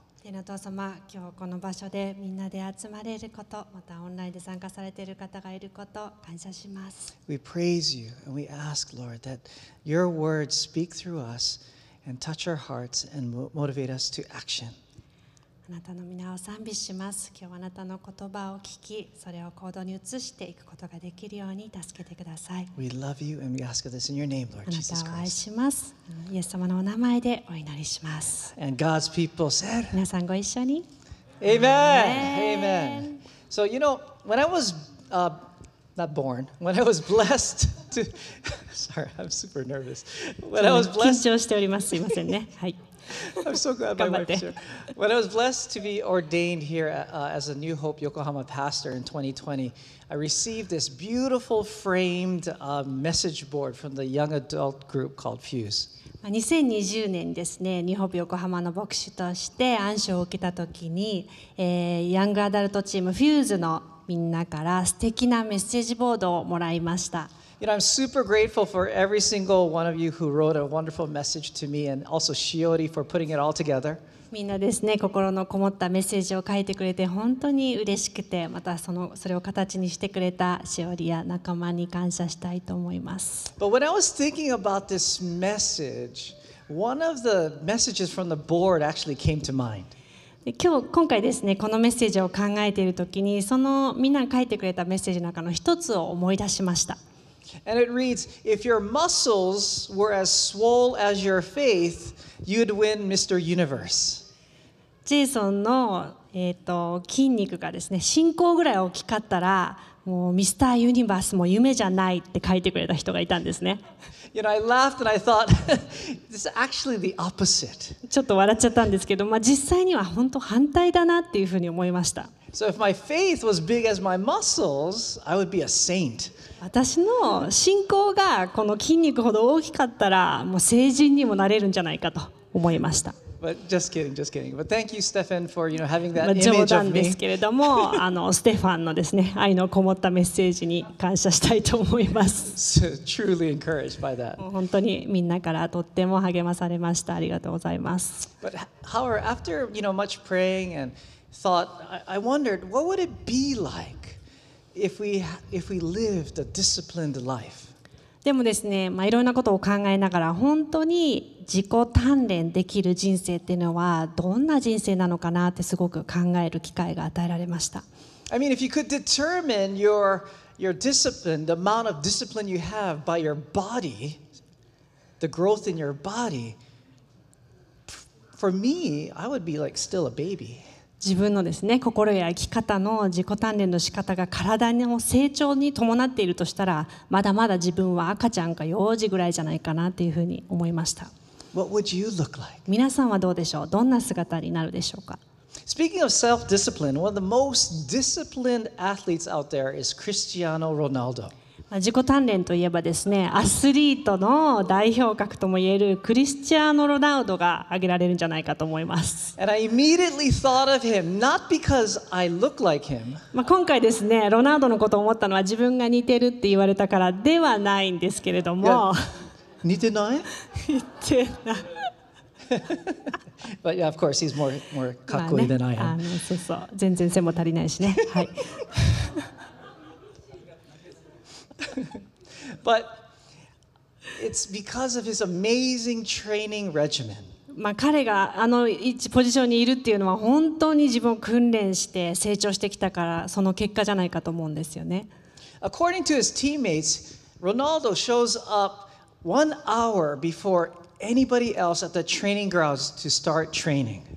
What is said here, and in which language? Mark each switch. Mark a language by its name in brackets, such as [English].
[Japanese] 天のお父様、今日この場所でみんなで集まれること、またオンラインで参加されている方がいること、感謝します。 [English] We praise you and we ask, Lord, that your words speak through us and touch our hearts and motivate us to action. [Japanese] あなたの皆を賛美します。今日あなたの言葉を聞き、それを行動に移していくことができるように助けてください。 [English] We love you and we ask this in your name, Lord Jesus Christ. [Japanese] あなたを愛します。イエス様のお名前でお祈りします。 [English] And God's people said, [Japanese] 皆さんご一緒に。 [English] Amen! Amen! So, you know, when I was, not born, when I was blessed to... Sorry, I'm super nervous. When I was blessed... [Japanese] 緊張しております。すいませんね。はい。 [English] I'm so glad my wife's here. When I was blessed to be ordained here as a New Hope Yokohama pastor in 2020, I received this beautiful framed message board from the young adult group called Fuse. [Japanese] 2020年ですね、日本横浜の牧師として暗証を受けたときに、ヤングアダルトチームFuseのみんなから素敵なメッセージボードをもらいました。 [English] You know, I'm super grateful for every single one of you who wrote a wonderful message to me and also Shiori for putting it all together. [Japanese] みんなですね、心のこもったメッセージを書いてくれて本当に嬉しくて、またそれを形にしてくれたしおりや仲間に感謝したいと思います。 [English] But when I was thinking about this message, one of the messages from the board actually came to mind. [Japanese] 今回ですね、このメッセージを考えているときに、そのみんな書いてくれたメッセージの中の一つを思い出しました。 [English] And it reads, if your muscles were as swole as your faith, you'd win Mr. Universe. [Japanese] ジェイソンの、筋肉がですね、信仰ぐらい大きかったら、もうミスター・ユニバースも夢じゃないって書いてくれた人がいたんですね。 [English] You know, I laughed and I thought, this is actually the opposite. [Japanese] ちょっと笑っちゃったんですけど、まあ、実際には本当反対だなっていうふうに思いました。 [English] So if my faith was big as my muscles, I would be a saint. [Japanese] 私の信仰がこの筋肉ほど大きかったらもう聖人にもなれるんじゃないかと思いました。 [English] But just kidding, just kidding. But thank you, Stefan, for you know having that image of me. [Japanese] 冗談ですけれども、あのステファンのですね、愛のこもったメッセージに感謝したいと思います。 [English] So, truly encouraged by that. [Japanese] 本当にみんなからとっても励まされました。ありがとうございます。 [English] But however, after you know much praying and thought, I wondered what would it be like. If we lived a disciplined life. [Japanese] でもですね、まあ、いろんなことを考えながら本当に自己鍛錬できる人生っていうのはどんな人生なのかなってすごく考える機会が与えられました。 [English] I mean, if you could determine your discipline, the amount of discipline you have by your body, the growth in your body, for me, I would be like still a baby. [Japanese] 自分のですね、心や生き方の自己鍛錬の仕方が体の成長に伴っているとしたら、まだまだ自分は赤ちゃんか幼児ぐらいじゃないかなというふうに思いました。 [English] What would you look like? [Japanese] 皆さんはどうでしょう？どんな姿になるでしょうか？ [English] Speaking of self-discipline, one of the most disciplined athletes out there is Cristiano Ronaldo. [Japanese] 自己鍛錬といえばですね、アスリートの代表格ともいえるクリスチアーノ・ロナウドが挙げられるんじゃないかと思います。 [English] And I immediately thought of him, not because I look like him. [Japanese] 今回ですね、ロナウドのことを思ったのは自分が似てるって言われたからではないんですけれども。似てない？似てない。 [English] But yeah, of course, he's more [Japanese] かっこいい [English] than I am. [Japanese] そうそう、全然背も足りないしね。はい。 [English] But it's because of his amazing training regimen. [Japanese] まあ彼があのポジションにいるっていうのは本当に自分を訓練して成長してきたからその結果じゃないかと思うんですよね。 [English] According to his teammates, Ronaldo shows up 1 hour before anybody else at the training grounds to start training.